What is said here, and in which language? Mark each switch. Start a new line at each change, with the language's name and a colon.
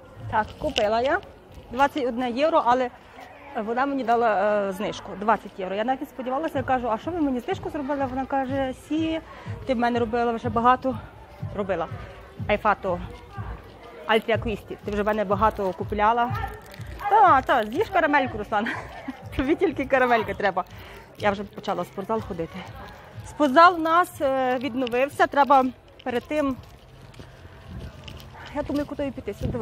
Ukrainian: Так, купила я 21 євро, але вона мені дала знижку 20 євро. Я навіть сподівалася, я кажу, а що ви мені знижку зробили? Вона каже, сі, ти в мене робила вже багато. Робила.
Italian: Hai fatto altri acquisti.
Ukrainian: Ти вже в мене багато купляла. Та, з'їж карамельку, Руслан. Тобі тільки карамельки треба. Я вже почала в спортзал ходити. Спортзал в нас відновився. Треба перед тим... Я думаю, куди піти?